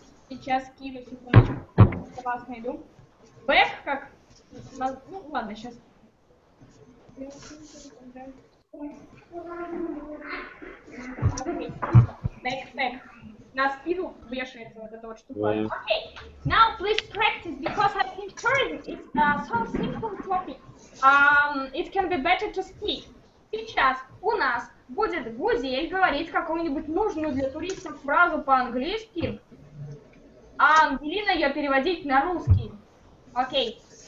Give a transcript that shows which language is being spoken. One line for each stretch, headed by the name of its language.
Russian: Сейчас кину секундочку. вас найду. Бэк как? Ну ладно, сейчас. Бэк. На спину вешается вот эта вот штука. Окей.
English: Now please practice, because I think tourism is a so simple topic. It can be better to speak.
Russian: Сейчас у нас будет Гузель говорить какую-нибудь нужную для туристов фразу по-английски, а Ангелина ее переводить на русский. Окей.